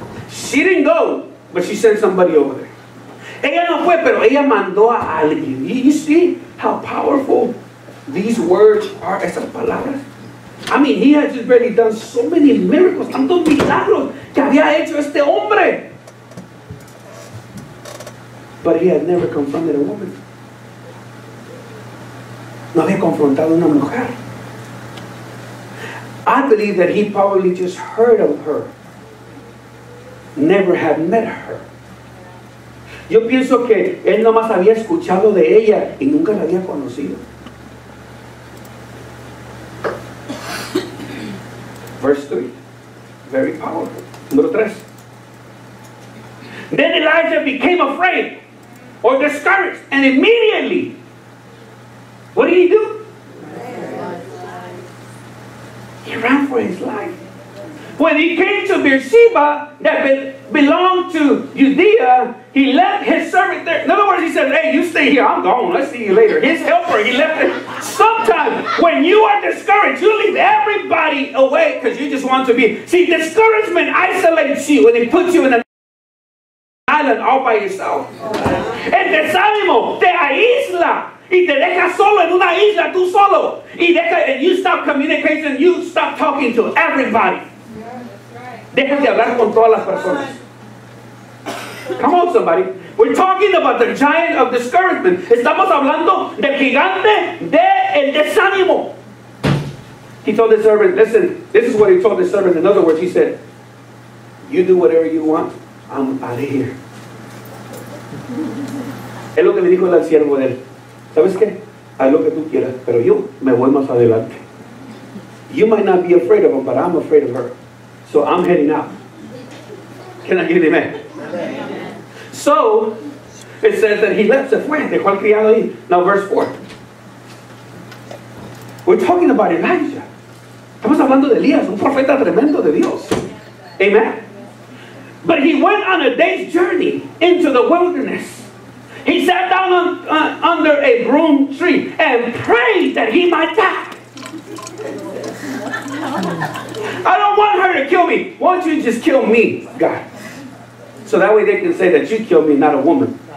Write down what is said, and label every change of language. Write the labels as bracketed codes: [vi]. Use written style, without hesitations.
[en] She didn't go, but she sent somebody over there. [es] Ella no fue, pero ella mandó a alguien. [en] You see how powerful these words are, [es] esas palabras? [en] I mean, he had just barely done so many miracles, [es] tantos milagros que había hecho este hombre. [en] But he had never confronted a woman. [es] No había confrontado a una mujer. [en] I believe that he probably just heard of her. Never had met her. [es] Yo pienso que él nomás había escuchado de ella y nunca la había conocido. [en] Verse 3. Very powerful. [es] Número 3. [en] Then Elijah became afraid or discouraged, and immediately, what did he do? He ran for his life. When he came to Beersheba, that belonged to Judea, he left his servant there. In other words, he said, hey, you stay here, I'm gone, I'll see you later. His helper, he left it. Sometimes, when you are discouraged, you leave everybody away because you just want to be. See, discouragement isolates you and it puts you in an island all by yourself. [es] El desánimo te aísla. Y te deja solo en una isla, tú solo. Y deja, [en] and you stop communicating, you stop talking to everybody. Yeah, right. [es] Deja de hablar con todas las personas. [en] Come on, somebody. We're talking about the giant of discouragement. [es] Estamos hablando del gigante del desánimo. [en] He told the servant, listen, this is what he told the servant. In other words, he said, you do whatever you want, I'm out of here. [es] Es lo que le dijo el siervo de él. ¿Sabes qué? Haz lo que tú quieras, pero yo me voy más adelante. [en] You might not be afraid of him, but I'm afraid of her. So I'm heading out. Can I get an amen? So, it says that he left, [es] se fue, dejó al criado ahí. [en] Now verse 4. We're talking about Elijah. [es] Estamos hablando de Elías, un profeta tremendo de Dios. [en] Amen. But he went on a day's journey into the wilderness. He sat down on, under a broom tree and prayed that he might die. I don't want her to kill me. Why don't you just kill me, God? So that way they can say that you killed me, not a woman.